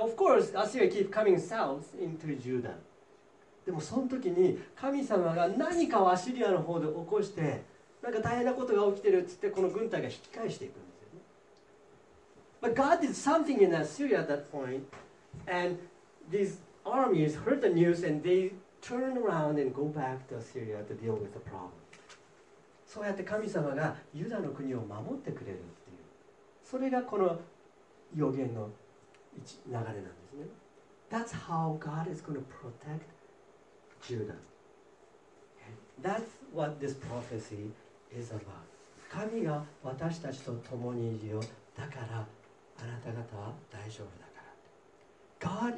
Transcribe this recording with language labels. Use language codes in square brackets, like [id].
[en] And of course, Assyria keep coming south into Judah. [ja] でもその時に神様が何かをアシリアの方で起こして、なんか大変なことが起きてるっつってこの軍隊が引き返していくんですよね。 [en] But God did something in Assyria at that point, and these armies heard the news and they turn around and go back to Assyria to deal with the problem. [ja] そうやって神様がユダの国を守ってくれるっていう、それがこの予言の流れなんですね。 [en] That's how God is going to protect Judah. That's what this prophecy is about. [ja] 神が私たちと共にいるよ。だからあなた方は大丈夫だから。